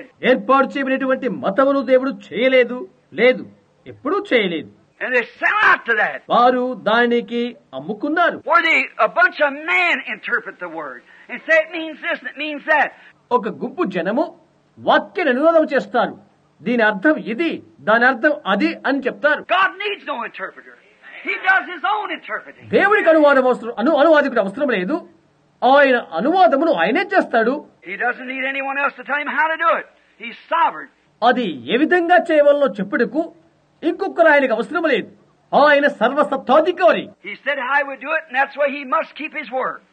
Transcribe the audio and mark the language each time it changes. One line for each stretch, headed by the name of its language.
Telugu: ఏర్పాటు చేయబడినటువంటి మతమును దేవుడు చేయలేదు, లేదు, ఎప్పుడూ చేయలేదు.
English: And they sell out to that.
Telugu: వారు దానికి అమ్ముకున్నారు.
English: Or they, a bunch of men interpret the word and say it means this and it means that.
Telugu: ఒక గుంపు జనము వాక్యాన్ని అనువాదం చేస్తారు. దీని అర్థం ఇది, దాని అర్థం అది అని చెప్తారు.
English: God needs no interpreter. He does his own interpreting.
Telugu: దేవుడికి అనువాదం అవసరం, అనువాదకుడు అవసరం లేదు. ఆయన అనువాదమును ఆయనే చేస్తాడు.
English: He doesn't need anyone else to tell him how to do it. He's sovereign.
Telugu: అది ఏ విధంగా చేయవాలో చెప్పుటకు ఇంకొకరు ఆయనకు అవసరం లేదు. ఆయన సర్వసత్తాధికారి.
English: He said I would do it and that's why he must keep his word.